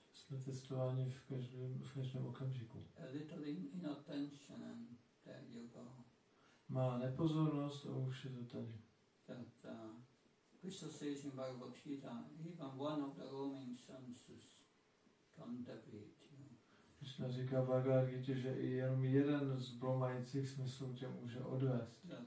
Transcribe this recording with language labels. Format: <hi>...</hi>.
<cs>Jsme testováni v každém okamžiku.</cs> <en>A little inattention and there you go.</en> <cs>Malá nepozornost a už je to tady.</cs> <en>That Krishna says in Bhagavad Gita, even one of the roaming senses can deviate you.</en> <cs>Krishna říká v Bhagavad Gita, že i jenom jeden z bromajících smyslů tě může odvést.</cs>